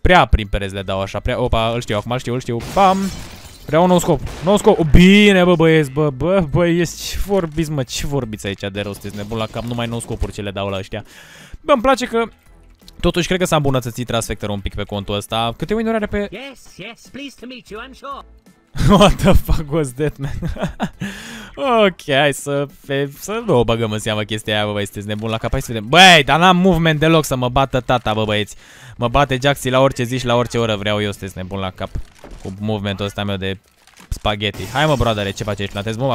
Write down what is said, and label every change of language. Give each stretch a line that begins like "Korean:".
Romanian: Prea prin pereți le dau așa, prea. Opa, îl știu acum, îl știu. Pam. Vreau un nou scop. Nou scop. Bine, bă, băieți, bă, ești, ce vorbiți, mă, ce vorbiți aici de rău, sunteți nebun la cap, numai nou scopuri ce le dau la ăștia. Bă, îmi place că totuși cred că s-a îmbunătățit Transfector un pic pe contul ăsta. Câte win-uri are pe?
English: Yes, pleased to meet you, I'm sure. What the fuck was that, man?
Romanian: Ok, hai să nu o băgăm în seamă chestia aia, bă, băi, sunteți nebun la cap, hai să vedem. Băi, dar n-am movement deloc să mă bată tata, bă, băieți. Mă bate Jaxi la orice zi și la orice oră vreau, eu sunteți nebun la cap. Cu movementul ăsta meu de spaghetti. Hai, mă, brodere, ce faci aici? Plantezi bomba?